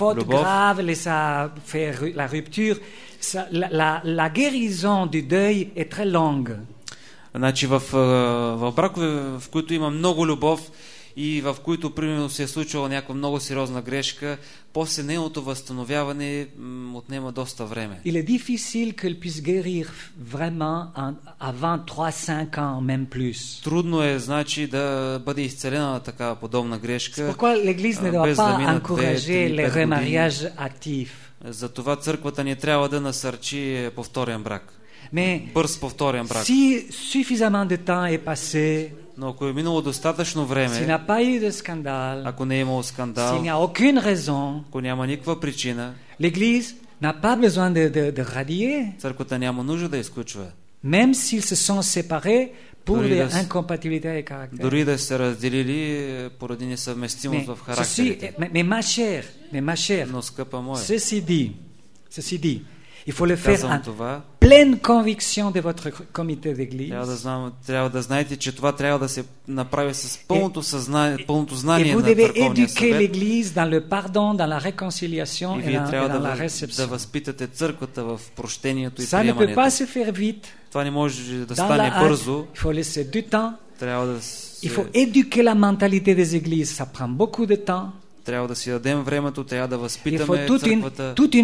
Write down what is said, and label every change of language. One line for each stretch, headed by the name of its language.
French: une faute grave les a fait la rupture, la guérison du deuil est très longue.
Bulgarian: Значи в бракове, в които има много любов и в които примерно се е случила някаква много сериозна грешка, после нейното възстановяване отнема доста време.
French: Il est difficile qu'elle puisse guérir vraiment avant 3-5 ans, même plus.
Bulgarian: Трудно е, значи, да бъде изцелена така подобна грешка.
French: Pourquoi l'église ne doit pas encourager les remariages actifs?
Bulgarian: Затова църквата не трябва да насърчи повторен брак.
French: Mais
Bulgarian: бърз повторен брак.
French: Si suffisamment de temps est passé,
Bulgarian: но ако е минало достатъчно време,
French: si n'a pas eu de scandale,
Bulgarian: ако не е имало скандал,
French: si n'y a aucune raison,
Bulgarian: ако няма никаква причина,
French: l'église n'a pas besoin de radier,
Bulgarian: църквата няма нужда да изключва.
French: Même s'ils se sont séparés pour des incompatibilités de caractère.
Bulgarian: Дори да се разделили поради несъвместимост в характерите.
French: Mais ma chère,
Bulgarian: скъпа моя,
French: ceci dit, il faut le faire en pleine conviction de votre comité d'église.
Bulgarian: Трябва да знаете, че това трябва да се направи с пълното съзнание, пълното знание на Църковния съвет.
French: Et vous devez éduquer l'église dans le pardon, dans la réconciliation et dans la réception.
Bulgarian: Да възпитате църквата в прощението и приемането.
French: Ça ne peut pas se faire vite.
Bulgarian: Това не може да стане бързо.
French: Il faut laisser du temps.
Bulgarian: Трябва да
French: Il faut éduquer la mentalité des églises. Ça prend beaucoup de temps.
Bulgarian: Трябва да си дадем времето, трябва да възпитаме църквата.